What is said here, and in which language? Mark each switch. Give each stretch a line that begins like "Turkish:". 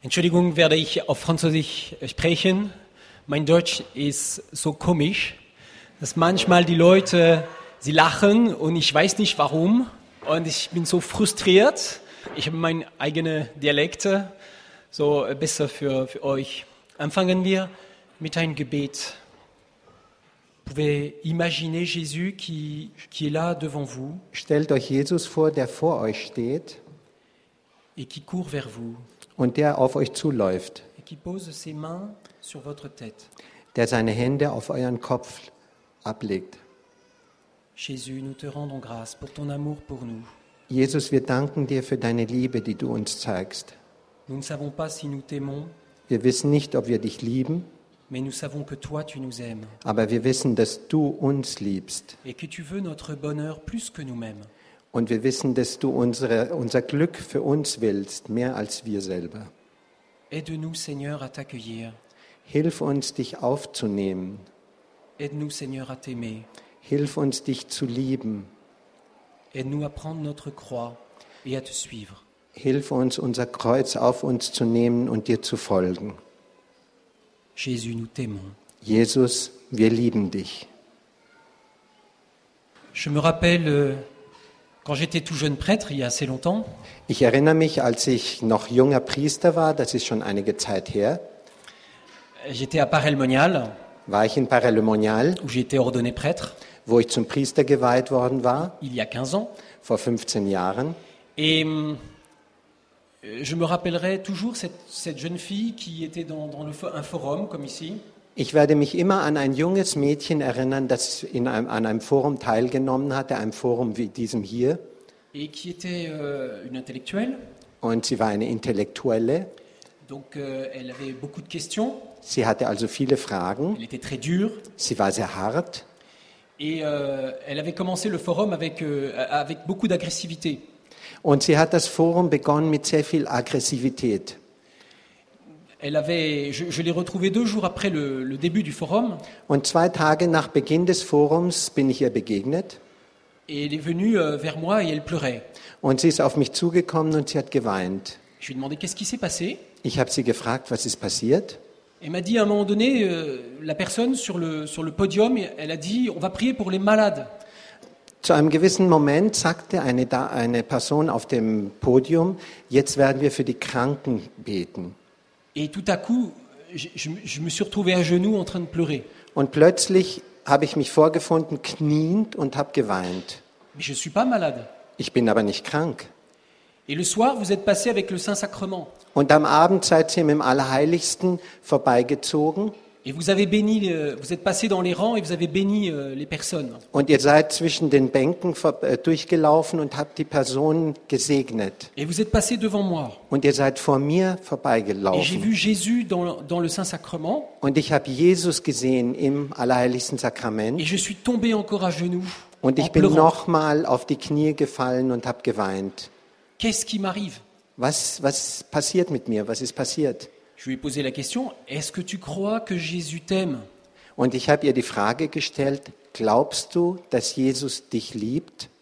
German: Entschuldigung, werde ich auf Französisch sprechen. Mein Deutsch ist so komisch, dass manchmal die Leute, sie lachen und ich weiß nicht warum. Und ich bin so frustriert. Ich habe meine eigenen Dialekte, so besser für euch. Anfangen wir mit einem Gebet.
French: Pouvez imaginer Jésus qui est là devant vous.
German: Stellt euch Jesus vor, der vor euch steht.
French: Et qui court vers vous.
German: Und der auf euch zuläuft.
French: Et qui pose ses mains sur votre tête.
German: Der seine Hände auf euren Kopf ablegt.
French: Jésus, nous te rendons grâce pour ton amour pour nous.
German: Jesus, wir danken dir für deine Liebe, die du uns zeigst.
French: Nous ne savons pas si nous t'aimons.
German: Wir wissen nicht, ob wir dich lieben.
French: Mais nous savons que toi tu nous aimes.
German: Aber wir wissen, dass du uns liebst.
French: Et que tu veux notre bonheur plus que nous-mêmes.
German: Und wir wissen, dass du unser Glück für uns willst, mehr als wir selber.
French: Aide-nous, Seigneur, à t'accueillir.
German: Hilf uns, dich aufzunehmen.
French: Aide-nous, Seigneur, à t'aimer.
German: Hilf uns, dich zu lieben.
French: Aide-nous à prendre notre croix et à te suivre.
German: Hilf uns, unser Kreuz auf uns zu nehmen und dir zu folgen.
French: Jésus, nous t'aimons.
German: Jesus, wir lieben dich.
French: Je me rappelle quand j'étais tout jeune prêtre, il y a assez longtemps.
German: Ich erinnere mich, als ich noch junger Priester war, das ist schon einige Zeit her.
French: J'étais à Paray-le-Monial.
German: War ich in Paray-le-Monial,
French: où j'ai été ordonné prêtre.
German: Wo ich zum Priester geweiht worden war.
French: Il y a 15 ans.
German: Vor 15 Jahren.
French: Et je me rappellerai toujours cette jeune fille qui était dans un forum comme ici.
German: Ich werde mich immer an ein junges Mädchen erinnern, das an einem Forum teilgenommen hatte, einem Forum wie diesem hier.
French: Et qui était une intellectuelle.
German: Und sie war eine Intellektuelle.
French: Donc, elle avait beaucoup de questions.
German: Sie hatte also viele Fragen.
French: Elle était très dure.
German: Sie war sehr hart.
French: Et elle avait commencé le forum avec beaucoup d'agressivité.
German: Und sie hat das Forum begonnen mit sehr viel Aggressivität.
French: Elle avait, je l'ai retrouvée deux jours après le début du forum.
German: Und zwei Tage nach Beginn des Forums bin ich ihr begegnet.
French: Et elle est venue vers moi et elle pleurait.
German: Und sie ist auf mich zugekommen und sie hat geweint.
French: Je lui ai demandé qu'est-ce qui s'est passé.
German: Ich habe sie gefragt, was ist passiert.
French: Elle m'a dit à un moment donné, la personne sur le podium, elle a dit, on va prier pour les malades.
German: Zu einem gewissen Moment sagte eine Person auf dem Podium, jetzt werden wir für die Kranken beten.
French: Et tout à coup, je me suis retrouvé à genoux en train de pleurer.
German: Und plötzlich habe ich mich vorgefunden, kniend und habe geweint.
French: Mais je suis pas malade.
German: Ich bin aber nicht krank.
French: Et le soir, vous êtes passé avec le Saint-Sacrement.
German: Und am Abend seid ihr im Allerheiligsten vorbeigezogen.
French: Et vous avez béni, vous êtes passé dans les rangs et vous avez béni les personnes.
German: Und ihr seid zwischen den Bänken durchgelaufen und habt die Personen gesegnet.
French: Et vous êtes passé devant moi.
German: Und ihr seid vor mir vorbeigelaufen.
French: Et j'ai vu Jésus dans le Saint-Sacrement.
German: Und ich habe Jesus gesehen im Allerheiligsten Sakrament.
French: Et je suis tombé encore à genoux.
German: Und ich bin nochmal auf die Knie gefallen und habe geweint.
French: Qu'est-ce qui m'arrive?
German: Was passiert mit mir? Was ist passiert?
French: Je lui ai posé la question, est-ce que tu crois que Jésus t'aime?
German: Und ich habe ihr die Frage gestellt, glaubst du, dass Jesus dich liebt?